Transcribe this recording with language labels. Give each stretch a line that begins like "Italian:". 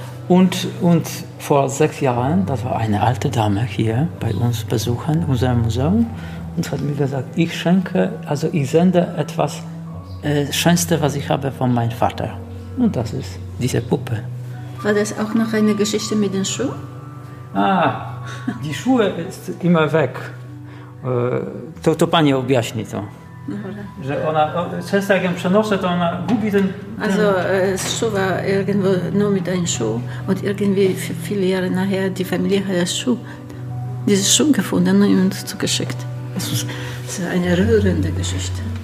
German: Und vor 6 Jahren, das war eine alte Dame hier bei uns besuchen, unser Museum, und hat mir gesagt, ich sende etwas Schönste, was ich habe von meinem Vater. Und das ist diese Puppe. War das auch noch eine Geschichte mit den Schuhen? Ah, die Schuhe ist immer weg.
Polish: To pani objaśni to. Dobra. Że ona, często jak ją przenoszę, to ona gubi ten...
German: Also, schuwa irgendwo nur mit einem Schuh. Und irgendwie viele Jahre nachher, die Familie hat diesen Schuh gefunden und zugeschickt. Das ist eine rührende Geschichte.